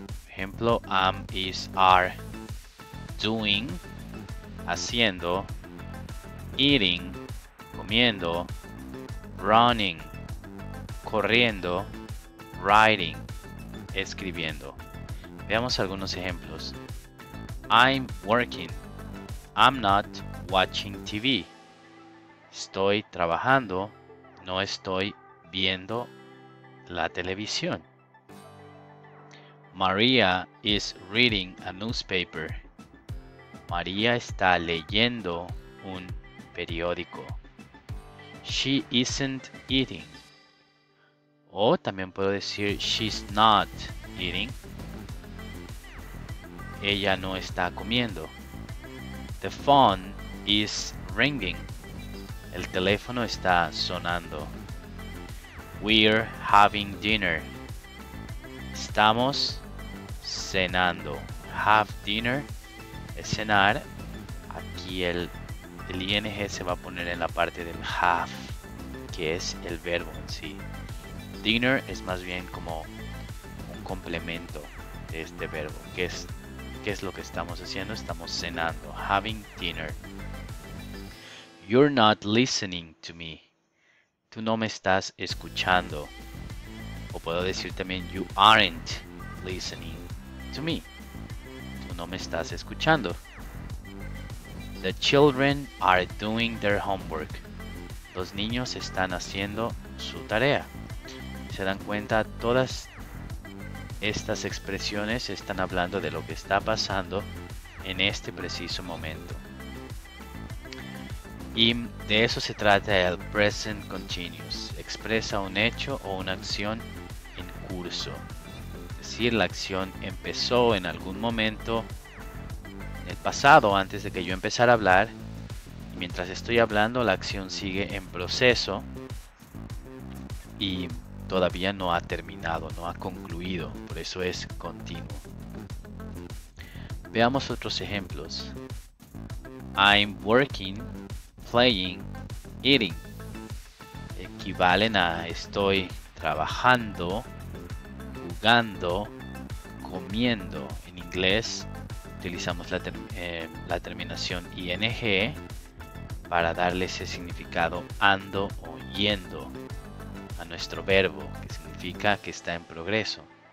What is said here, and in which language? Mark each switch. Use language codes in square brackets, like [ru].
[es] Ejemplo, [en] am, is, are, doing, [es] haciendo, [en] eating, [es] comiendo, [en] running, [es] corriendo, [en] writing, [es] escribiendo. Veamos algunos ejemplos. [en] I'm working. I'm not watching TV. [es] Estoy trabajando. No estoy viendo la televisión. [en] Maria is reading a newspaper. [es] María está leyendo un periódico. [en] She isn't eating. [es] O también puedo decir [en] she's not eating. [es] Ella no está comiendo. [en] The phone is ringing. [es] El teléfono está sonando. [en] We're having dinner. [es] Estamos cenando. Have dinner es cenar. Aquí el ing se va a poner en la parte del have, que es el verbo en sí. Dinner es más bien como un complemento de este verbo, que es ¿qué es lo que estamos haciendo? Estamos cenando. [en] Having dinner. You're not listening to me. [es] Tú no me estás escuchando. O puedo decir también, [en] you aren't listening to me. [es] Tú no me estás escuchando. [en] The children are doing their homework. [es] Los niños están haciendo su tarea. Se dan cuenta, todas Estas expresiones están hablando de lo que está pasando en este preciso momento. Y de eso se trata el present continuous. Expresa un hecho o una acción en curso. Es decir, la acción empezó en algún momento en el pasado, antes de que yo empezara a hablar. Y mientras estoy hablando, la acción sigue en proceso y todavía no ha terminado, no ha concluido. Por eso es continuo. Veamos otros ejemplos. [en] I'm working, playing, eating. [es] Equivalen a estoy trabajando, jugando, comiendo. En inglés utilizamos la terminación ing para darle ese significado ando o yendo a nuestro verbo, que significa que está en progreso.